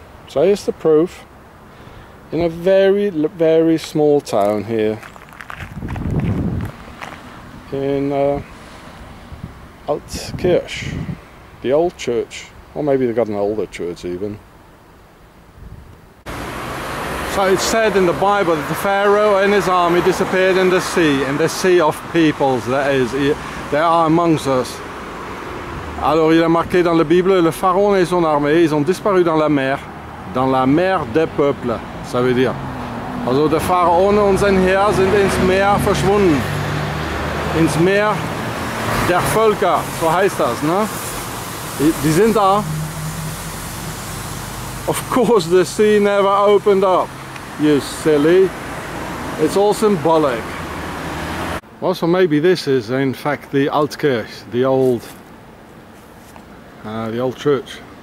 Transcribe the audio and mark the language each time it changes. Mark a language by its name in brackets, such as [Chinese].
[English] So here's the proof. In a very, very small town here, in Altkirch, the old church, or maybe they've got an older church even. So it's said in the Bible that the Pharaoh and his army disappeared in the sea, in the sea of peoples, that is, they are amongst us. [French] Alors il est marqué dans la Bible, le Pharaon et son armée, ils ont disparu dans la mer des peuples, ça veut dire. [German] Also der Pharaon und sein Heer sind ins Meer verschwunden, ins Meer der Völker, so heißt das, ne? Die sind da. [English] Of course the sea never opened up, you silly. It's all symbolic. Also maybe this is in fact the Altkirch, the old church.